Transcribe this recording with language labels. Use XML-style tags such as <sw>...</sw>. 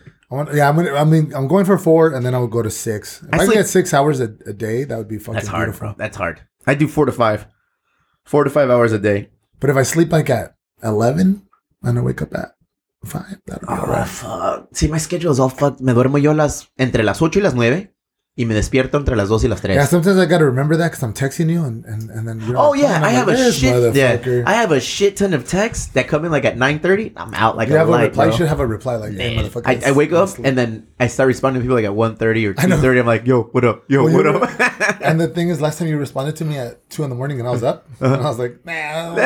<en>I'm going for 4 and then I would go to 6. If I could get 6 hours a day, that would be fucking beautiful. That's hard, bro. That's hard. I do 4 to 5. 4 to 5 hours a day. But if I sleep like at 11 and I wake up at 5, that'll be alright. Oh, fuck. See, my schedule is all fucked.</en> <es>Me duermo yo entre las 8 y las 9 y me despierto entre las 2 y las 3.</es> <en>Yeah, sometimes I gotta remember that because I'm texting you and then you're I have a shit ton of texts that come in like at 9:30. I'm out like a light, bro. You should have a reply like, hey, motherfucker. I wake up and then I start responding to people like at 1:30 or 2:30. I'm like, yo, what up? Yo, what up? And the thing is, last time you responded to me at 2 in the morning and I was up, and I was like, man,</en>